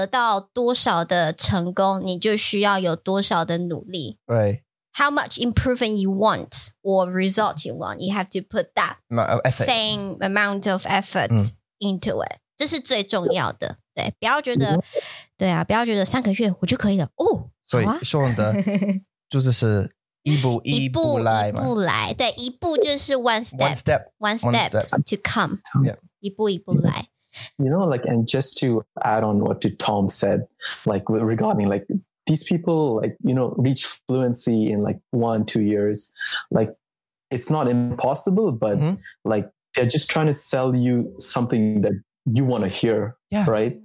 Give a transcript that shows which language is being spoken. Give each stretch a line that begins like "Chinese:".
Chinese: 就是你真的你想要得到多少的成功, 你就需要有多少的努力。
English: Right. How much improvement you want or result you want, you have to put that same amount of effort into it.
Chinese: 这是最重要的。对,不要觉得三个月我就可以了。所以说的就是一步一步来。一步就是
English: one step to come. Yeah.
Chinese: 一步一步来。
English: You know, like, and just to add on what Tom said, like, regarding, like, these people, like, you know, reach fluency in, like, 1-2 years. Like, it's not impossible, but, like, they're just trying to sell you something that you want to hear, right?